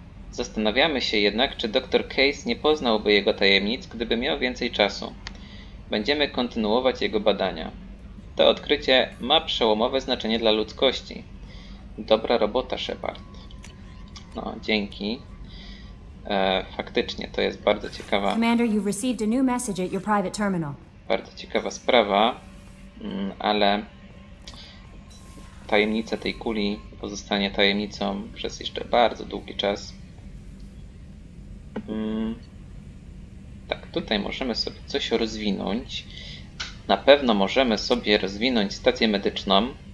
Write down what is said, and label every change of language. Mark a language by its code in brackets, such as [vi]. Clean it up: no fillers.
[pl] Zastanawiamy się jednak, czy dr Case nie poznałby jego tajemnic, gdyby miał więcej czasu. Będziemy kontynuować jego badania. To odkrycie ma przełomowe znaczenie dla ludzkości. Dobra robota, Shepard. No, dzięki. Faktycznie, to jest bardzo ciekawa... [en] Commander, you've received a new message at your private terminal. [pl] Bardzo ciekawa sprawa, ale... Tajemnica tej kuli pozostanie tajemnicą przez jeszcze bardzo długi czas. Tak, tutaj możemy sobie coś rozwinąć. Na pewno możemy sobie rozwinąć stację medyczną.